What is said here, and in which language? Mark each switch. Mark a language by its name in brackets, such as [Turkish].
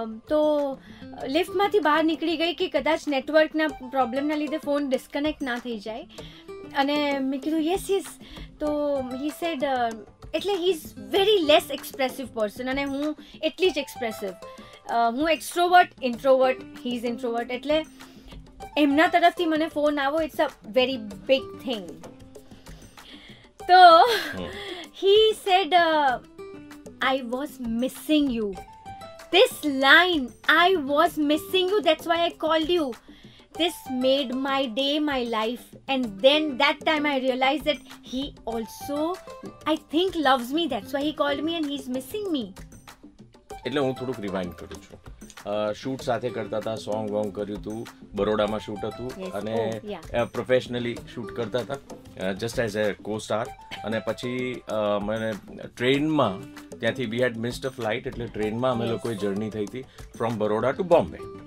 [Gujarati] તો લિફ્ટમાંથી બહાર નીકળી ગઈ કે કદાચ નેટવર્કના પ્રોબ્લેમના લીધે ફોન ડિસ્કનેક્ટ ના થઈ જાય, અને મેં કીધું યસ યસ. તો હી સેડ, એટલે [English] he is very less expressive person [Gujarati] અને હું એટલી જ એક્સપ્રેસિવ. હું extrovert, introvert, he is introvert, એટલે એમના તરફથી મને ફોન આવો [English] It's a very big thing. તો he said I was missing you, this line I was missing you, that's why I called you. This made my day, my life. And then that time I realized that he also I think loves me, that's why he called me and he's missing me. [Gujarati] એટલે હું થોડુંક rewind કરું છું. Shoot સાથે કરતા હતા, song Wong કર્યું હતું, બરોડામાં શૂટ હતું અને પ્રોફેશનલી શૂટ કરતા હતા [English] Just as a costar. [Gujarati] અને પછી મને ટ્રેનમાં, ત્યાંથી [English] we had missed a flight, [Gujarati] એટલે ટ્રેનમાં અમે લોકોએ જર્ની થઈ હતી [English] From Baroda to Bombay.